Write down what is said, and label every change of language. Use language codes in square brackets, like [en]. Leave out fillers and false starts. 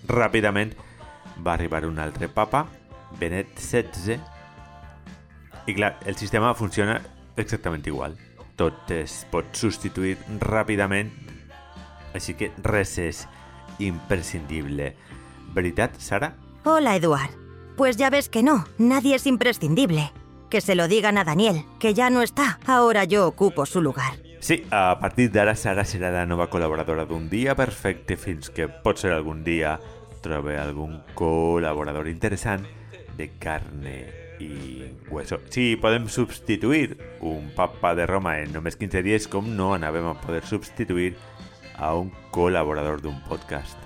[ca] Ràpidament va arribar un altre papa, Benet XVI. I clar, el sistema funciona exactament igual. Tot es pot substituir ràpidament, així que res és imprescindible. Veritat, Sara? Hola, Eduard. [es] Pues ya ves que no, nadie es imprescindible. Que se lo digan a Daniel, que ya no está. Ahora yo ocupo su lugar. [ca] Sí, a partir d'ara Sara serà la nova col·laboradora d'Un dia perfecte, fins que potser algun dia trobe algun col·laborador interessant de [es] carne i hueso. [ca] Si podem substituir un papa de Roma en només 15 dies, com no anàvem a poder substituir a un col·laborador d'un podcast?